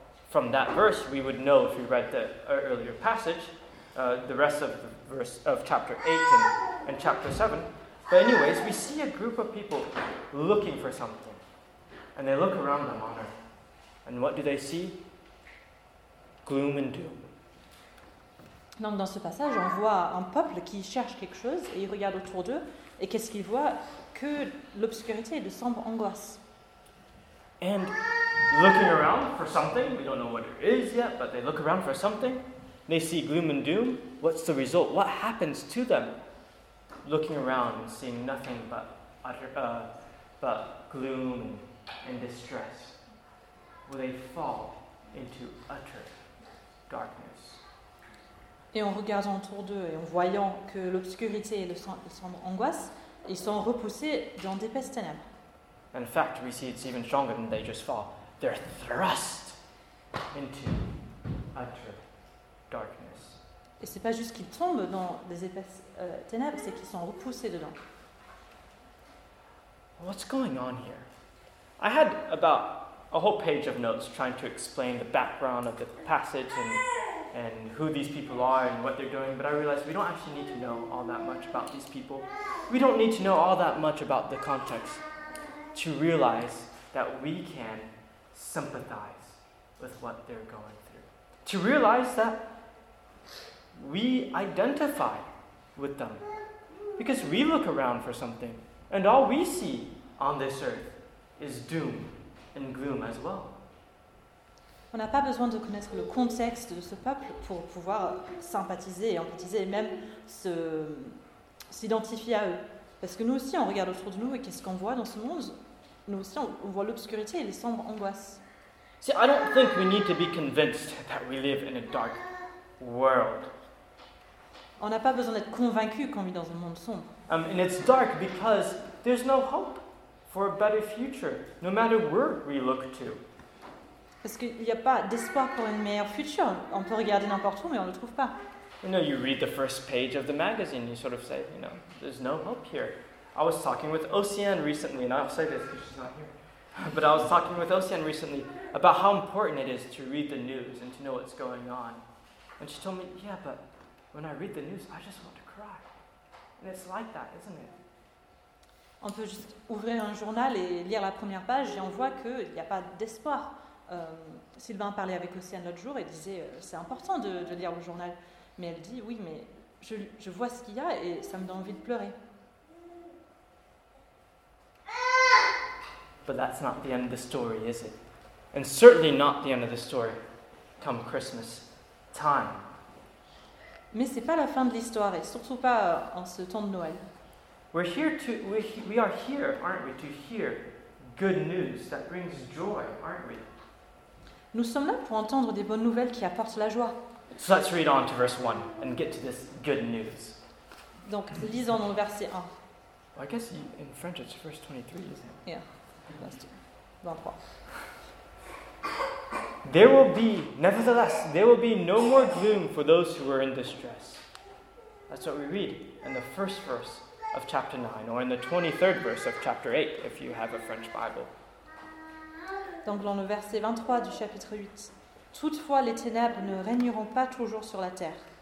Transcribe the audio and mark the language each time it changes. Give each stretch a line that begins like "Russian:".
English: From that verse, we would know if we read the earlier passage, the rest of the verse of chapter 8 and chapter 7. But anyways, we see a group of people looking for something. And they look around them on earth. And what do they see? Gloom and doom.
French: Donc dans ce passage, on voit un peuple qui cherche quelque chose et il regarde autour d'eux. Et qu'est-ce qu'il voit? Que l'obscurité et de sombre angoisse.
English: And looking around for something, we don't know what it is yet, but they look around for something, they see gloom and doom. What's the result? What happens to them? Looking around and seeing nothing but but gloom and distress, will they fall into utter darkness?
French: Et en regardant autour d'eux et en voyant que l'obscurité et le sombre angoisse, ils sont repoussés dans d'épaisses ténèbres.
English: In fact, we see it's even stronger than they just fall. They're thrust into utter darkness.
French: Et c'est pas juste qu'ils tombent dans des épaisses ténèbres, c'est qu'ils sont repoussés dedans.
English: What's going on here? I had about a whole page of notes trying to explain the background of the passage and who these people are and what they're doing, but I realized we don't actually need to know all that much about these people. We don't need to know all that much about the context to realize that we can sympathize with what they're going through. To realize that we identify with them. Because we look around for something, and all we see on this earth is doom and gloom as well.
French: On n'a pas besoin de connaître le contexte de ce peuple pour pouvoir sympathiser et empathiser et même s'identifier à eux. Parce que nous aussi, on regarde autour de nous et qu'est-ce qu'on voit dans ce monde? Nous aussi, on voit l'obscurité et les sombres angoisses.
English: See, I don't think we need to be convinced that we live in a dark world.
French: On n'a pas besoin d'être convaincu qu'on vit dans un monde sombre.
English: And it's dark because there's no hope for a better future, no matter where we look to.
French: Parce qu'il n'y a pas d'espoir pour une meilleure future. On peut regarder n'importe où, mais on ne le trouve pas.
English: You know, you read the first page of the magazine, you sort of say, you know, there's no hope here. I was talking with Océane recently, and I'll say this because she's not here, but I was talking with Océane recently about how important it is to read the news and to know what's going on. And she told me, yeah, but when I read the news, I just want to cry. And it's like that, isn't it?
French: On peut juste ouvrir un journal et lire la première page, et on voit qu'il n'y a pas d'espoir. Sylvain parlait avec Océane l'autre jour et disait c'est important de lire le journal, mais elle dit oui, mais je vois ce qu'il y a et ça me donne envie de pleurer.
English: But that's not the end of the story, is it? And certainly not the end of the story come Christmas time.
French: Mais c'est pas la fin de l'histoire et surtout pas en ce temps de Noël.
English: We are here, aren't we, to hear good news that brings joy, aren't we?
French: Nous sommes là pour entendre des bonnes nouvelles qui apportent la joie.
English: So let's read on to verse 1 and get to this good news.
French: Donc, lisons dans le verset 1.
English: Well, I guess in French it's verse 23, isn't it? Yeah, verse 23. There will be, nevertheless, there will be no more gloom for those who are in distress. That's what we read in the first verse of chapter 9, or in the 23rd verse of chapter 8, if you have a French Bible.
French: Donc dans le verset 23 du chapitre 8, toutefois les ténèbres ne régneront pas toujours sur la terre.